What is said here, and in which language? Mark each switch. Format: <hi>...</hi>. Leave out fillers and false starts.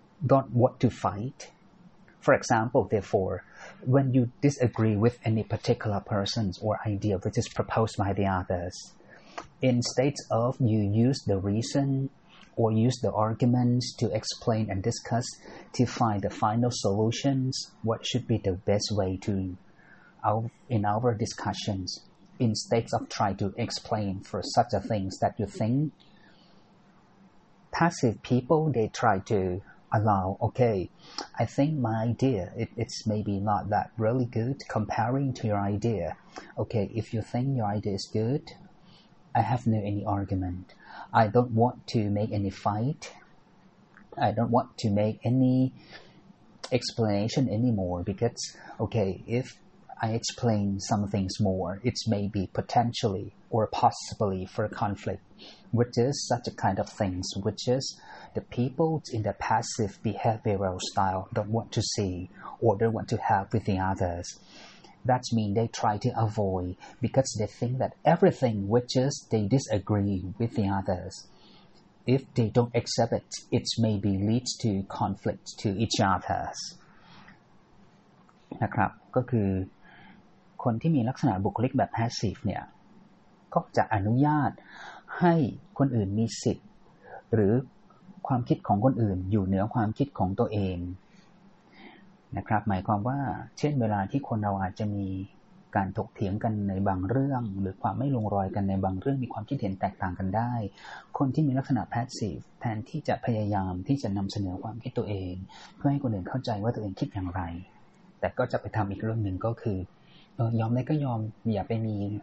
<en>don't want to fight for example therefore when you disagree with any particular person's or idea which is proposed by the others in states of you use the reason or use the arguments to explain and discuss to find the final solutions, what should be the best way to, in our discussions, in states of try to explain for such a things that you think. Passive people, they try to allow, okay, I think my idea, it's maybe not that really good comparing to your idea. Okay, if you think your idea is good, I have no any argument. I don't want to make any fight. I don't want to make any explanation anymore because, okay, if I explain some things more, it's maybe potentially or possibly for a conflict, which is such a kind of things, which is the people in the passive behavioral style don't want to see or don't want to have with the others. That means they try to avoid because they think that everything which is they disagree with the others, if they don't accept it, it maybe leads to conflict to each others.</en> <th>นะครับก็คือคนที่มีลักษณะบุคลิกแบบ passive เนี่ยก็จะอนุญาตให้คนอื่นมีสิทธิ์หรือความคิดของคนอื่นอยู่เหนือความคิดของตัวเอง นะครับหมายความว่าเช่นเวลาที่คนเราอาจจะมีการถกเถียงกันในบางเรื่องหรือความไม่ลงรอยกันในบางเรื่องมีความคิดเห็นแตกต่างกันได้คนที่มีลักษณะ passive แทนที่จะพยายามที่จะนำเสนอความคิดตัวเองเพื่อให้คนอื่นเข้าใจว่าตัวเองคิดอย่างไรแต่ก็จะไปทำอีกเรื่องหนึ่งก็คือยอมได้ก็ยอมอย่าไปมี</th>